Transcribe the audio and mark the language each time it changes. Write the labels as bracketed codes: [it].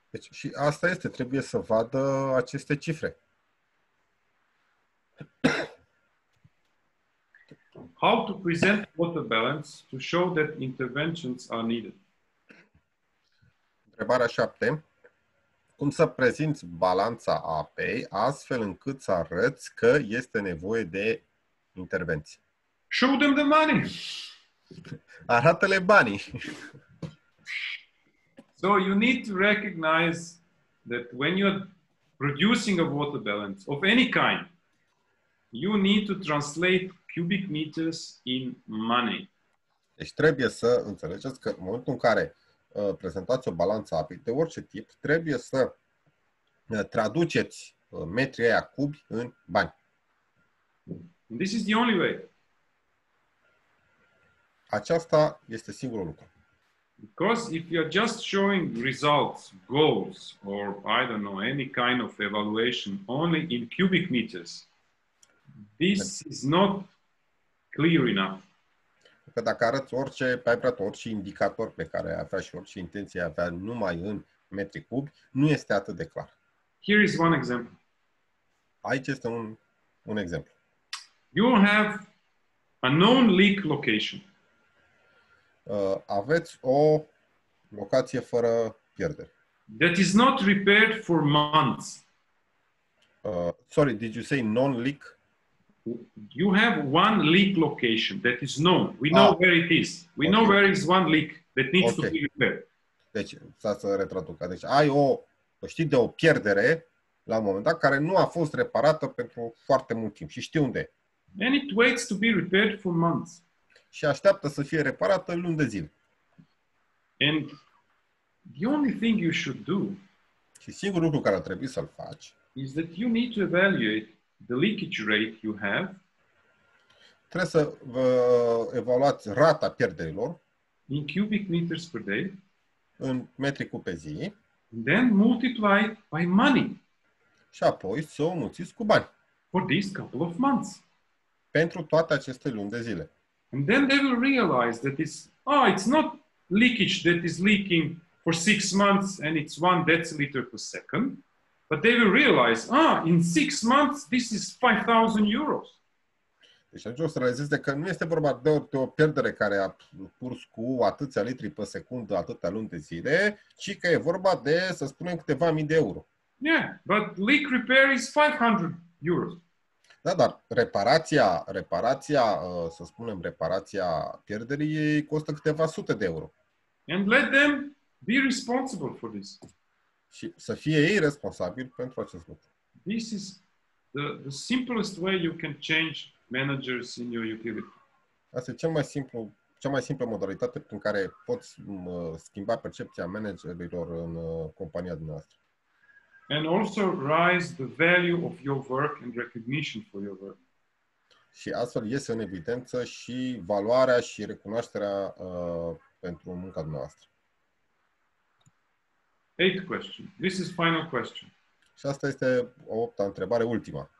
[ro] Deci, și asta este, trebuie să vadă aceste cifre. [en] How to present water balance to show that interventions are needed? [ro] Întrebarea 7. Cum să prezinți balanța apei astfel încât să arăți că este nevoie de intervenție? [en] Show them the money. [ro] Arată-le banii. [en] So you need to recognize that when you're producing a water balance of any kind, you need to translate cubic meters in money. [ro] Deci trebuie să înțelegeți că în momentul în care prezentați o balanță apei de orice tip, trebuie să traduceți metrii aia cubi în bani. [en] And this is the only way. [ro] Aceasta este singurul lucru. [en] Because if you are just showing results, goals, or I don't know, any kind of evaluation only in cubic meters, this is not clear enough. [ro] Că dacă arăți orice paiprat, orice indicator pe care ai avea și orice intenție ai avea numai în metri cubi, nu este atât de clar. [en] Here is one example. [ro] Aici este un exemplu. [en] You have a known leak location. [ro] Aveți o locație fără pierdere. [en] That is not repaired for months. Sorry, did you say non-leak? You have one leak location that is known. We know where it is. We know where is one leak that needs to be repaired. [ro] Deci, să retraduc. Deci, ai o, știi de o pierdere la un moment dat care nu a fost reparată pentru foarte mult timp și știi unde. [en] And it waits to be repaired for months. [ro] Și așteaptă să fie reparată luni de zile. [en] And the only thing you should do. [ro] Și singurul lucru care trebuie să-l faci. [en] Is that you need to evaluate the leakage rate you have. [ro] Trebuie să vă evaluați rata pierderilor. [en] In cubic meters per day. [ro] În metri cubi pe zi. [en] Then multiply by money. [ro] Și apoi să o mulțiți cu bani. [en] For these couple of months. [ro] Pentru toate aceste luni de zile. [en] And then they will realize that it's not leakage that is leaking for 6 months and it's 1 deciliter per second. But they will realize, in 6 months, this is 5,000 euros. [ro] Deci atunci o să realizeze că nu este vorba de o pierdere care a curs cu atâția litri pe secundă, atâtea luni de zile, ci că e vorba de, să spunem, câteva mii de euro. [en] Yeah, but leak repair is 500 euros. [ro] Da, dar reparația, să spunem, reparația pierderii costă câteva sute de euro. [en] And let them be responsible for this. [ro] Și să fie ei responsabili pentru acest lucru. [en] This is the simplest way you can change managers in your utility. [ro] Asta e cea mai simplă modalitate prin care poți schimba percepția managerilor în compania dumneavoastră. [en] And also raise the value of your work and recognition for your work. [ro] Și astfel iese în evidență și valoarea și recunoașterea pentru munca dumneavoastră. [en] Eighth question. This is final question. [ro] Și asta este o opta întrebare, ultima.